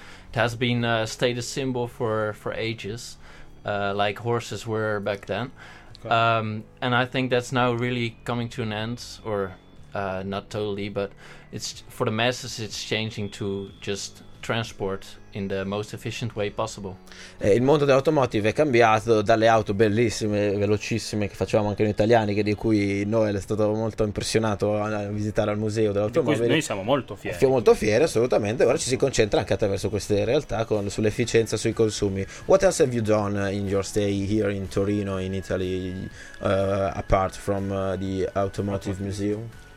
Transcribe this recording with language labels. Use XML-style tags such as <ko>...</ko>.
<en>It has been a status symbol for ages, like horses were back then. And I think that's now really coming to an end, or not totally, but it's for the masses it's changing to just transport in the most efficient way possible.</en> <it>Il mondo dell'automotive è cambiato dalle auto bellissime, velocissime, che facevamo anche noi italiani, che di cui Noel è stato molto impressionato a visitare al museo dell'automobile. Di cui noi siamo molto fieri. Siamo molto fieri, assolutamente. Ora ci si concentra anche attraverso queste realtà sull'efficienza, sui consumi.</it> <en>What else have you done in your stay here in Torino, in Italy, apart from the automotive museum?</en>